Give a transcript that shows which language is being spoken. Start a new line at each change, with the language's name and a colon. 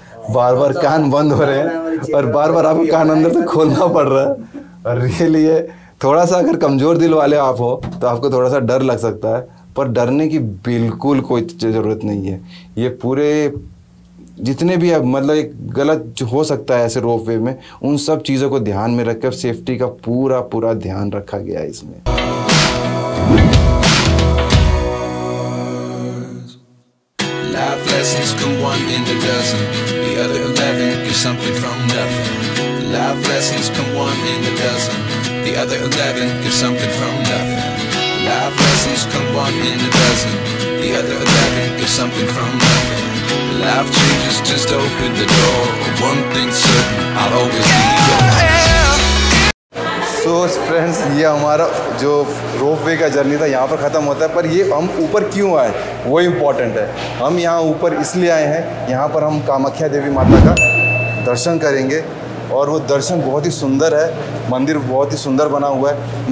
Hindi: बार बार कान बंद हो रहे हैं और बार बार आपको कान अंदर से खोलना पड़ रहा है, और रियली थोड़ा सा अगर कमज़ोर दिल वाले आप हो तो आपको थोड़ा सा डर लग सकता है, पर डरने की बिल्कुल कोई ज़रूरत नहीं है। ये पूरे जितने भी अब, मतलब एक गलत जो हो सकता है ऐसे रोपवे में, उन सब चीज़ों को ध्यान में रखकर सेफ्टी का पूरा पूरा ध्यान रखा गया है इसमें।
English: in the dozen, the other 11 get something from nothing. Life lessons come one in the dozen, the other 11 get something from nothing. Life lessons come one in a dozen, the other 11 get something from nothing. Life changes, just open the door. One thing's certain, I'll always be yours.
Hindi: तो friends, ये हमारा जो रोप वे का journey था यहाँ पर ख़त्म होता है, पर ये हम ऊपर क्यों आए वो इम्पॉर्टेंट है। हम यहाँ ऊपर इसलिए आए हैं, यहाँ पर हम कामाख्या देवी माता का दर्शन करेंगे और वो दर्शन बहुत ही सुंदर है, मंदिर बहुत ही सुंदर बना हुआ है।